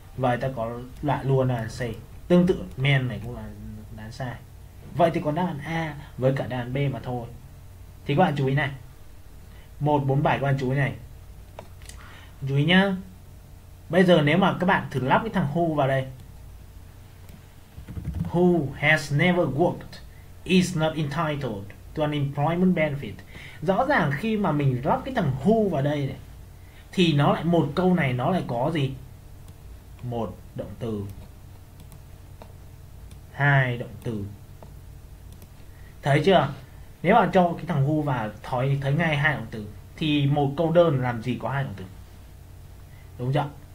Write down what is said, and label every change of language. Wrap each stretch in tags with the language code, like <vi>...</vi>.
<vi>Vậy ta có loại luôn là C. Tương tự men này cũng là đáp sai. Vậy thì còn đáp án A với cả đáp án B mà thôi. Thì các bạn chú ý này, 147 các bạn chú ý này, chú ý nhá. Bây giờ nếu mà các bạn thử lắp cái thằng who vào đây.</vi> <en>Who has never worked is not entitled to unemployment benefit.</en> <vi>Rõ ràng khi mà mình lắp cái thằng who vào đây này, thì nó lại một câu này nó lại có gì? Một động từ. Hai động từ. Thấy chưa? Nếu mà cho cái thằng who vào thấy thấy ngay hai động từ thì một câu đơn làm gì có hai động từ. Đúng chưa?</vi>